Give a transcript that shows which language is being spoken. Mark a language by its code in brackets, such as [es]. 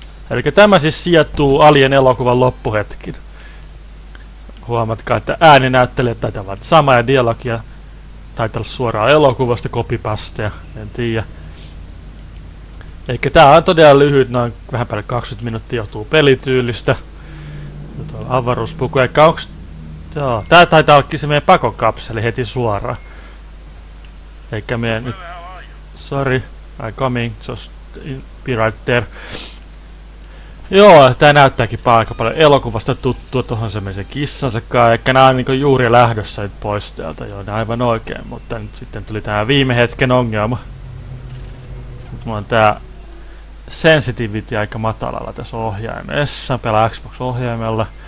[fi] Eli tämä siis sijoittuu Alien elokuvan loppuhetkin. Huomatkaa, että ääninäyttelijät taitaa olla sama ja dialogia taitaa olla suoraan elokuvasta copypasteja, en tiedä. Elikkä tää on todella lyhyt, noin vähän päälle 20 minuuttia johtuu pelityylistä. Nyt on avaruuspuku, eikä onks... Joo, tää taitaa ollakin se meidän pakokapseli heti suoraan. Eikä me nyt... [en] Sorry, I'm coming, just be right there. [fi] Joo, tää näyttääkin aika paljon elokuvasta tuttua, tohon se meni se kissansa kai. Ehkä nää on niinku juuri lähdössä nyt pois täältä, joo, ne aivan oikein, mutta nyt sitten tuli tää viime hetken ongelma. Nyt mulla on tää sensitivity aika matalalla tässä ohjaimessa, pelaa Xbox-ohjaimella.